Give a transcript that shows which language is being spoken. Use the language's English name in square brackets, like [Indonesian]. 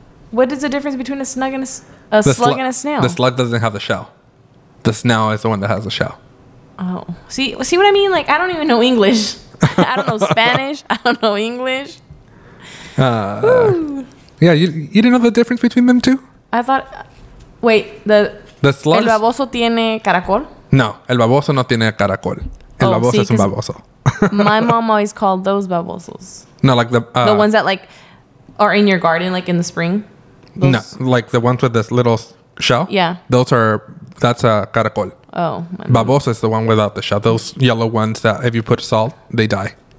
[English] What is the difference between a snug and a slug and a snail? The slug doesn't have the shell. The snail is the one that has the shell. Oh, see what I mean? Like, I don't even know English. I don't know Spanish. I don't know English. Yeah, you didn't know the difference between them two? I thought, wait, the slugs? [Spanish] El baboso tiene caracol? No, el baboso no tiene caracol. El baboso es un baboso. [English] My mom always called those babosos. No, like the ones that like are in your garden, like in the spring. Those? No, like the ones with this little shell. Yeah. That's a caracol. Oh, my baboso is the one without the shell. Those yellow ones that if you put salt, they die.